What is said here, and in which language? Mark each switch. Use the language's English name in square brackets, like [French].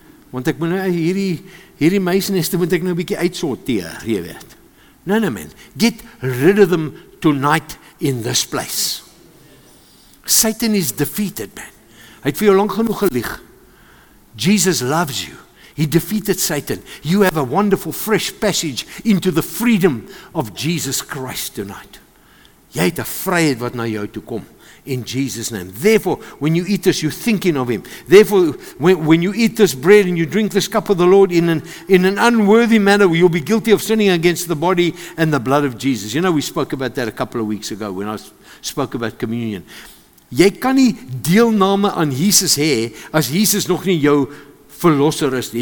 [Afrikaans] Want ek moet nou hierdie meisneste moet ek nou 'n bietjie uitsorteer, jy weet. [English] No, man. Get rid of them tonight in this place. Satan is defeated, man. [Afrikaans] Hy het vir jou lank genoeg gelieg. [English] Jesus loves you. He defeated Satan. You have a wonderful fresh passage into the freedom of Jesus Christ tonight. [Afrikaans] Jy het 'n vryheid wat na jou toe kom in Jesus' name. [English] Therefore, when you eat this, you're thinking of him. Therefore, when you eat this bread and you drink this cup of the Lord in an unworthy manner, you'll be guilty of sinning against the body and the blood of Jesus. You know, we spoke about that a couple of weeks ago when I spoke about communion. [Afrikaans] Jy kan nie deelname aan Jesus hê as Jesus nog nie jou verlosser is.